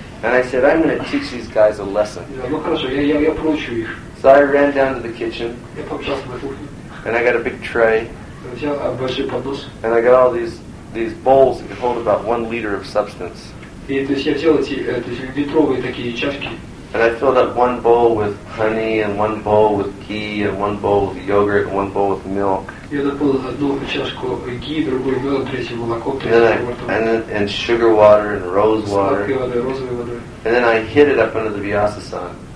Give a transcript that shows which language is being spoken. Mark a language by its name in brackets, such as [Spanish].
[English] And I said, I'm going to teach these guys a lesson. [Russian] Ну хорошо, я проучу их. [English] So I ran down to the kitchen. [Russian] Я побежал в кухню. [English] And I got a big tray. [Russian] Взял большой поднос. [English] And I got all these bowls that could hold about 1 liter of substance. [Russian] И то есть я взял эти литровые такие чашки. [English] And I filled up one bowl with honey, and one bowl with ghee, and one bowl with yogurt, and one bowl with milk. And sugar water, and rose water. And then I hid it up under the Vyasa sun.